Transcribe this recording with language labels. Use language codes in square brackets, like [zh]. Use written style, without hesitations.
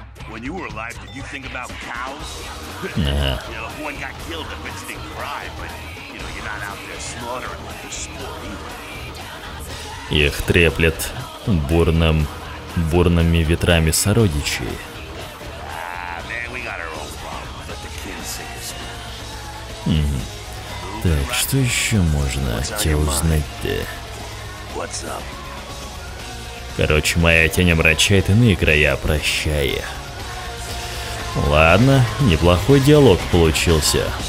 [en] When you were alive, did you think about cows? You know, if one got killed, the bitch didn't cry, but, you know, you're not out there slaughtering like a sport either. [ru] Их треплет бурным, бурными ветрами сородичей. [en] Man, we got our own problems, let the kids say this. [ru] Так, что еще можно тебе узнать-то? [en] What's up? [ru] Короче, моя тень омрачает иные края, прощая. Ладно, неплохой диалог получился.